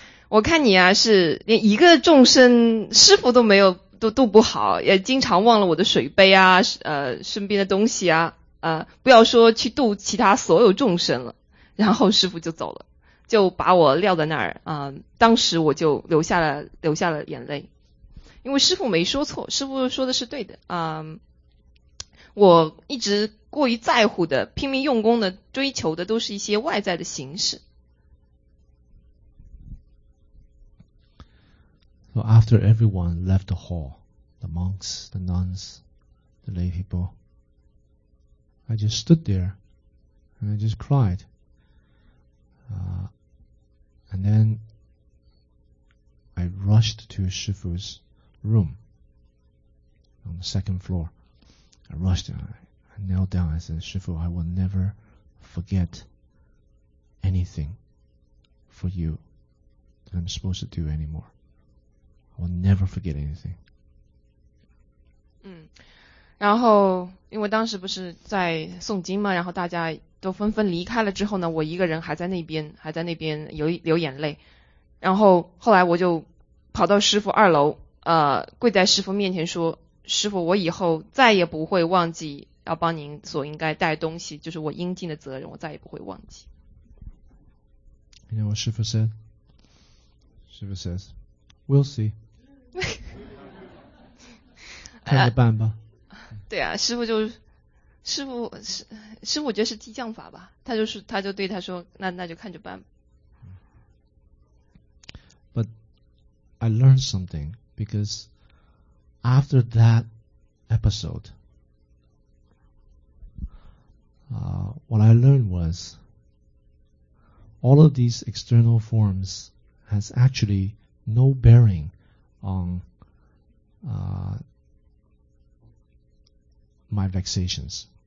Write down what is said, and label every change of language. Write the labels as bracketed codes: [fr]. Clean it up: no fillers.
[zh] 我看你啊是连一个众生师父都没有都不好，也经常忘了我的水杯啊身边的东西啊不要说去度其他所有众生了，然后师父就走了，就把我撂在那儿当时我就流下了眼泪，因为师父没说错，师父说的是对的我一直过于在乎的，拼命用功的，追求的都是一些外在的形式。 [en] So after everyone left the hall, the monks, the nuns, the lay people, I just stood there and I just cried. And then I rushed to Shifu's room on the second floor. I rushed and I knelt down and said, Shifu, I will never forget anything for you that I'm supposed to do anymore. I will never forget anything. [zh] 然后因为当时不是在诵经吗，然后大家就纷纷离开了，之后呢我一个人还在那边流眼泪，然后后来我就跑到师父二楼跪在师父面前说，师父，我以后再也不会忘记要帮您所应该带东西，就是我应尽的责任，我再也不会忘记。 [en] You know what 师父 said? Shiva says, "We'll see." [zh] 看着办吧。对啊，师傅就师傅师傅，我觉得是激将法吧。他就是他就对他说，那就看着办。 [en] But I learned something because after that episode, what I learned was all of these external forms has actually no bearing on my vexations.